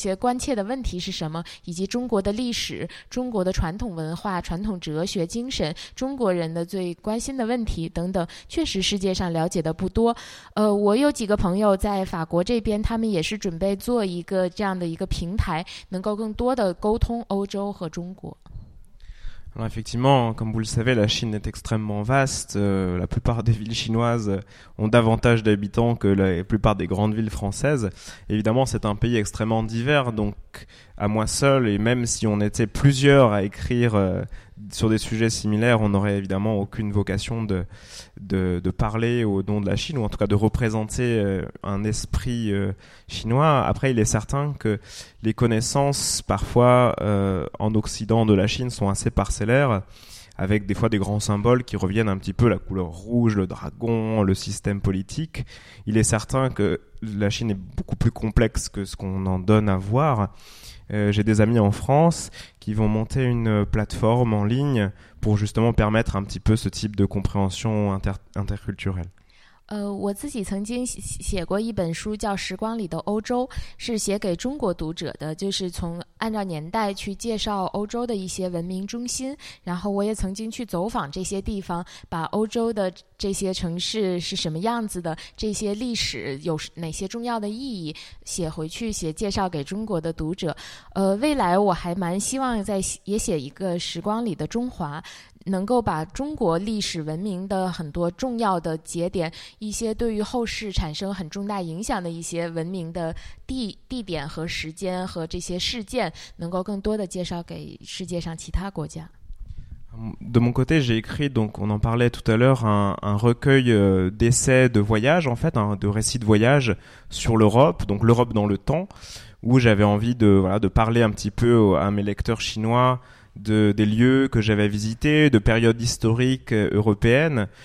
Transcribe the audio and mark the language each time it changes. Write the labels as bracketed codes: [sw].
[zh] 关切的问题是什么，以及中国的历史、中国的传统文化、传统哲学精神、中国人的最关心的问题等等，确实世界上了解的不多。我有几个朋友在法国这边，他们也是准备做一个这样的一个平台，能够更多的沟通欧洲和中国。 [fr] Alors effectivement, comme vous le savez, la Chine est extrêmement vaste. La plupart des villes chinoises ont davantage d'habitants que la plupart des grandes villes françaises. Évidemment, c'est un pays extrêmement divers, donc à moi seul, et même si on était plusieurs à écrire sur des sujets similaires, on n'aurait évidemment aucune vocation de parler au nom de la Chine, ou en tout cas de représenter un esprit chinois. Après, il est certain que les connaissances, parfois, en Occident de la Chine, sont assez parcellaires, avec des fois des grands symboles qui reviennent un petit peu, la couleur rouge, le dragon, le système politique. Il est certain que la Chine est beaucoup plus complexe que ce qu'on en donne à voir. J'ai des amis en France qui vont monter une plateforme en ligne pour justement permettre un petit peu ce type de compréhension interculturelle. [zh] 我自己曾经写过一本书叫《时光里的欧洲》，是写给中国读者的，就是从按照年代去介绍欧洲的一些文明中心，然后我也曾经去走访这些地方，把欧洲的这些城市是什么样子的，这些历史有哪些重要的意义写回去，写介绍给中国的读者。未来我还蛮希望在也写一个《时光里的中华》，能够把中国历史文明的很多重要的节点，一些对于后世产生很重大影响的一些文明的地点和时间和这些事件，能够更多的介绍给世界上其他国家。 [fr] De mon côté, j'ai écrit, donc on en parlait tout à l'heure, un recueil d'essais de voyage, en fait, de récits de voyage sur l'Europe, donc l'Europe dans le temps, où j'avais envie de parler un petit peu à mes lecteurs chinois des lieux que j'avais visités, de périodes historiques européennes.